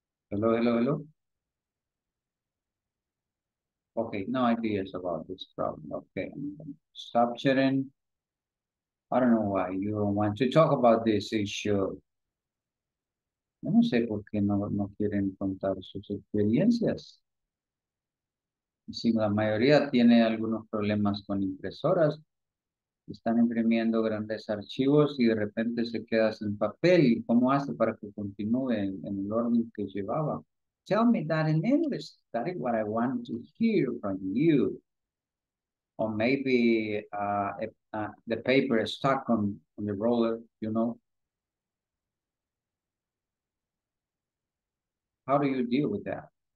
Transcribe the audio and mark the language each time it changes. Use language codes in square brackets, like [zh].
[en] Hello. Okay, no ideas about this problem. Okay, stop sharing. I don't know why you don't want to talk about this issue. [es] Yo no sé por qué no quieren contar sus experiencias. Si la mayoría tiene algunos problemas con impresoras, están imprimiendo grandes archivos y de repente se queda sin papel. ¿Y cómo hace para que continúe en el orden que llevaba? [en] Tell me that in English. That is what I want to hear from you. Or maybe the paper is stuck on the roller, you know. How do you deal with that?